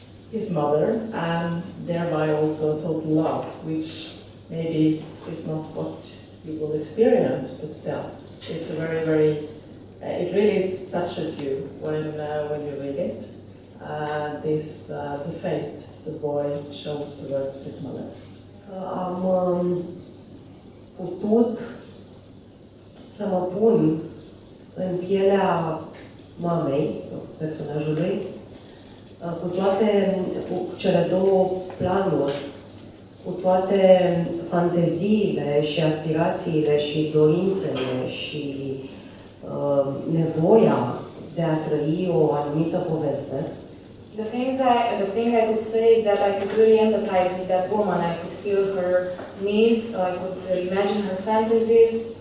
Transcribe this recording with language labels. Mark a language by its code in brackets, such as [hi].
[en] his mother, and thereby also total love, which maybe it's not what you will experience, but still, it's a very, very, it really touches you when you read it, the fate the boy shows towards his mother. [ro] Am putut să mă pun în pielea mamei, personajului, cu toate cele două planuri, cu toate fanteziile și aspirațiile și dorințele și nevoia de a trăi o anumită poveste. [en] The thing I could say is that I could really empathize with that woman. I could feel her needs, I could imagine her fantasies.